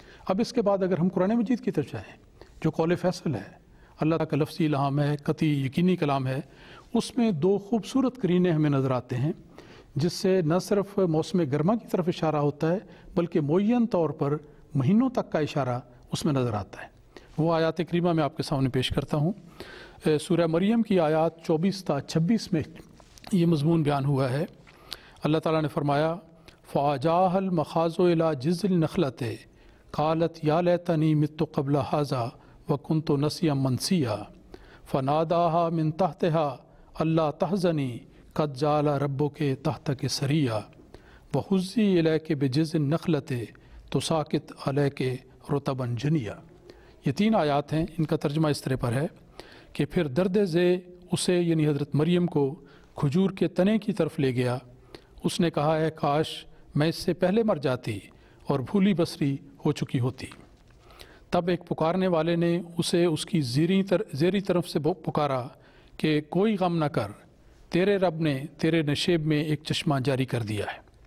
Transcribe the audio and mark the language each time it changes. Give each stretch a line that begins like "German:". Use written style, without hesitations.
Urdu: اب اس کے بعد اگر ہم قرآن مجید کی طرف جائیں جو قول فیصل ہے, اللہ کا لفظی الہام ہے, قطعی یقینی کلام ہے, اس میں دو خوبصورت قرینے ہمیں نظر آتے ہیں جس سے نہ صرف موسم گرما کی طرف اشارہ ہوتا ہے بلکہ معین طور پر مہینوں تک کا اشارہ اس میں نظر آتا ہے. وہ آیات کریمہ میں آپ کے سامنے پیش کرتا ہوں. سورہ مریم کی آیات 24-26 میں یہ مضمون بیان ہوا ہے.
Arabic: اللہ تعالیٰ نے فرمایا, فاجاہ المخاض الا جز النخلت قالت یا لیتنی مت قبل حاضہ وکنت نسیم منسیہ فناداها من تحتها الا تحزني قد جعل ربك تحتك سريا وهزي اليك بجذع النخلة تساقط عليك رطبا جنيا.
Urdu: یہ تین آیات ہیں, ان کا ترجمہ اس طرح پر ہے کہ پھر درد زے اسے, یعنی حضرت مریم کو, کھجور کے تنے کی طرف لے گیا. اس نے کہا, اے کاش میں اس سے پہلے مر جاتی اور بھولی بسری ہو چکی ہوتی. تب ایک پکارنے والے نے اسے اس کی زیری طرف سے پکارا کہ کوئی غم نہ کر, تیرے رب نے تیرے نشیب میں ایک چشمہ جاری کر دیا ہے.